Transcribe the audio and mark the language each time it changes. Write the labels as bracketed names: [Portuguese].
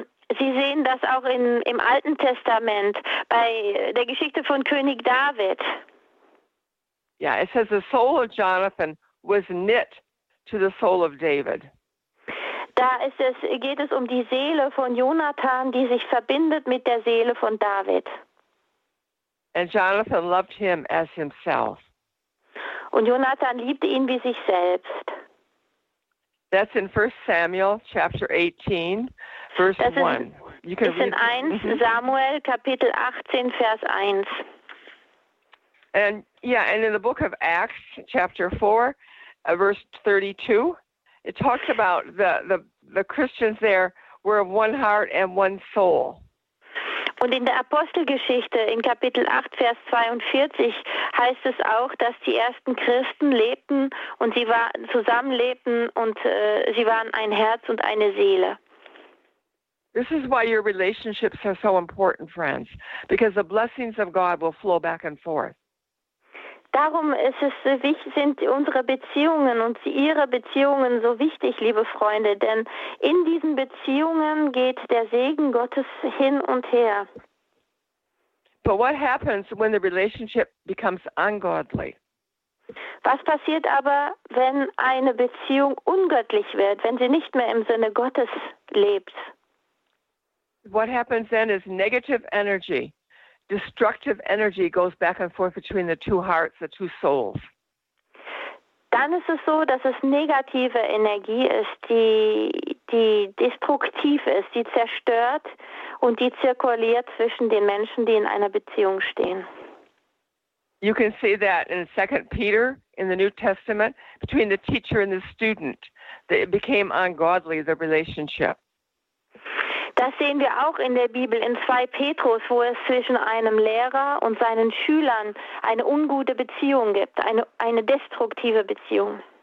[German] Sie sehen das auch im Alten Testament bei der Geschichte von König David. [English] Yeah, it says the soul of Jonathan was knit to the soul of David. [German] Da ist es, geht es um die Seele von Jonathan, die sich verbindet mit der Seele von David. [English] And Jonathan loved him as himself. [German] Und Jonathan liebte ihn wie sich selbst. [English] That's in 1 Samuel chapter 18, verse 1. You can read it. [German] Das ist in 1 Samuel Kapitel 18 Vers 1. [English] And yeah, and in the book of Acts, chapter 4, verse 32, it talks about the Christians there were of one heart and one soul. [German] Und in der Apostelgeschichte, in Kapitel 8, Vers 42, heißt es auch, dass die ersten Christen lebten und sie zusammenlebten und sie waren ein Herz und eine Seele. [English] This is why your relationships are so important, friends, because the blessings of God will flow back and forth. [German] Darum ist es wichtig, sind unsere Beziehungen und Ihre Beziehungen so wichtig, liebe Freunde, denn in diesen Beziehungen geht der Segen Gottes hin und her. [English] But what happens when the relationship becomes ungodly? [German] Was passiert aber, wenn eine Beziehung ungöttlich wird, wenn sie nicht mehr im Sinne Gottes lebt? [English] What happens then is negative energy. Destructive energy goes back and forth between the two hearts, the two souls. [German] Dann ist es so, dass es negative Energie ist, die destruktiv ist, die zerstört und die zirkuliert zwischen den Menschen, die in einer Beziehung stehen. [English] You can see that in 2 Peter in the New Testament, between the teacher and the student, that it became ungodly, the relationship. [German] Das sehen wir auch in der Bibel in 2 Petrus, wo es zwischen einem Lehrer und seinen Schülern eine ungute Beziehung gibt, eine destruktive Beziehung.